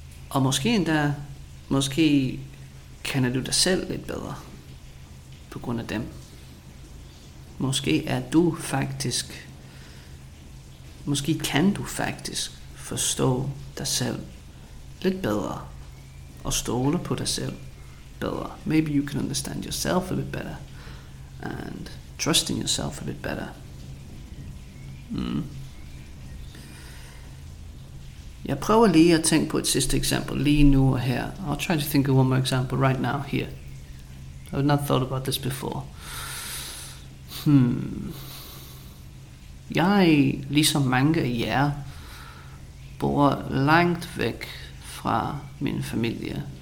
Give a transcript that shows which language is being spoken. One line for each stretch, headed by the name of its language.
Danish: Og måske endda, måske kender du dig selv lidt bedre på grund af dem. Måske er du faktisk, måske kan du faktisk forstå dig selv lidt bedre og stole på dig selv bedre.
English: Maybe you can understand yourself a bit better and trust in yourself a bit better.
Danish: Jeg prøver lige at tænke på et sidste eksempel lige nu og her.
English: I'll try to think of one more example right now here. I've not thought about this before.
Danish: Jeg, ligesom mange af jer, bor langt væk fra min familie.